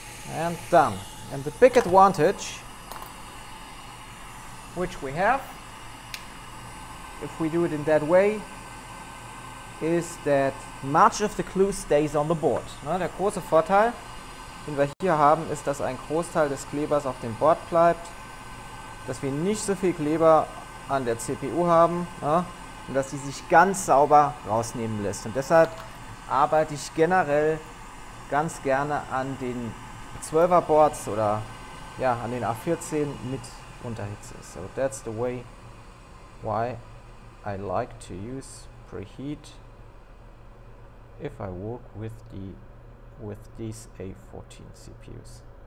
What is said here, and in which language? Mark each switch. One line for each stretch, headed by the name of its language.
English: and done. And the big advantage which we have if we do it in that way is that much of the clue stays on the board.
German: Na, der große Vorteil, den wir hier haben, ist, dass ein Großteil des Klebers auf dem Board bleibt, dass wir nicht so viel Kleber an der CPU haben, na, und dass sie sich ganz sauber rausnehmen lässt. Und deshalb arbeite ich generell ganz gerne an den 12er Boards oder ja, an den A14 mit Unterhitze.
English: So that's the way why I like to use preheat if I work with the with these A14 CPUs.